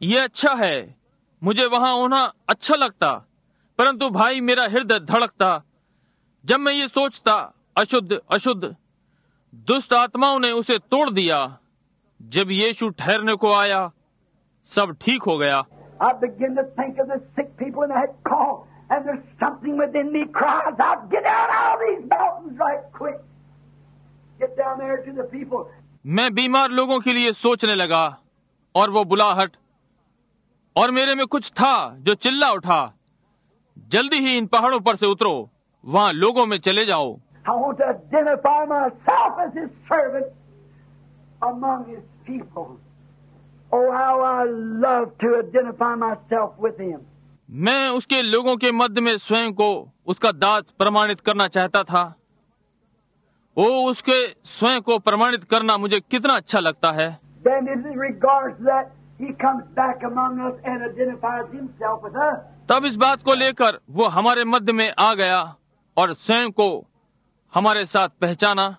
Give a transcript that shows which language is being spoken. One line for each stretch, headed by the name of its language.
Hindi: ये अच्छा है, मुझे वहाँ होना अच्छा लगता, परंतु भाई मेरा हृदय धड़कता जब मैं ये सोचता, अशुद्ध अशुद्ध दुष्ट आत्माओं ने उसे तोड़ दिया। जब यीशु ठहरने को आया, सब ठीक हो गया।
English: I begin to think of the sick people in the head call, and there's something within me cries out, get out of these mountains right quick. Get down there to the people.
Hindi: मैं बीमार लोगों के लिए सोचने लगा, और वो बुलाहट, और मेरे में कुछ था जो चिल्ला उठा, जल्दी ही इन पहाड़ों पर से उतरो, वहाँ लोगों में चले जाओ।
English: I want to identify myself as his servant among his people. Oh, how I love to identify myself with him.
Hindi: मैं उसके लोगों के मध्य में स्वयं को उसका दास प्रमाणित करना चाहता था। ओ, उसके स्वयं को प्रमाणित करना मुझे कितना अच्छा लगता है।
English: Then in regards that he comes back among us and identifies himself with us.
Hindi: तब इस बात को लेकर वो हमारे मध्य में आ गया और स्वयं को हमारे साथ पहचाना।